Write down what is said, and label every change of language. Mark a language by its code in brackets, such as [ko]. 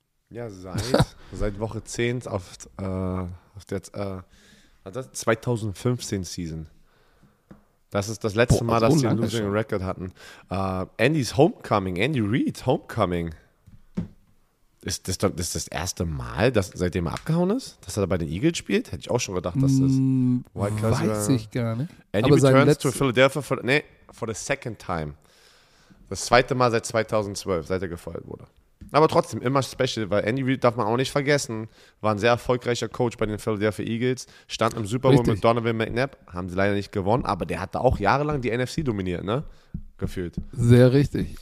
[de] Ja, seit Woche 10 auf der 2015 Season. Das ist das letzte Mal, dass sie einen Losing Record hatten. Andy Reid's Homecoming. Ist das das erste Mal, dass seitdem er abgehauen ist? Dass er da bei den Eagles spielt? Hätte ich auch schon gedacht, dass das... Weiß ich gar nicht. [en] Andy returns to Philadelphia for the second time. [de] Das zweite Mal seit 2012, seit er gefeuert wurde. Aber trotzdem, immer special, weil Andy Reid, darf man auch nicht vergessen, war ein sehr erfolgreicher Coach bei den Philadelphia Eagles, stand im Super Bowl mit Donovan McNabb, haben sie leider nicht gewonnen, aber der hat da auch jahrelang die NFC dominiert, ne? Gefühlt. Sehr richtig.